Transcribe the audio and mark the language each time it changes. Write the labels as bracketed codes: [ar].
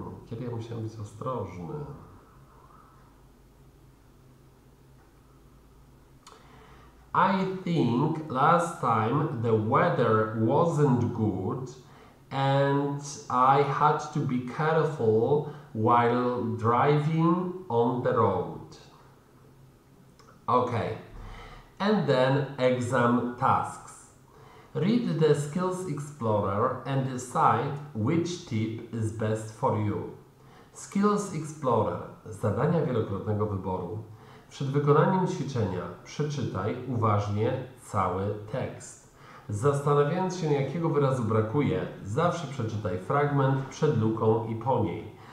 [pl] Kiedy ja musiałem być ostrożny? [en] I think last time the weather wasn't good and I had to be careful while driving on the road. Okay. And then exam tasks. Read the Skills Explorer and decide which tip is best for you. Skills Explorer. [pl] Zadania wielokrotnego wyboru. Przed wykonaniem ćwiczenia przeczytaj uważnie cały tekst. Zastanawiając się, jakiego wyrazu brakuje, zawsze przeczytaj fragment przed luką i po niej.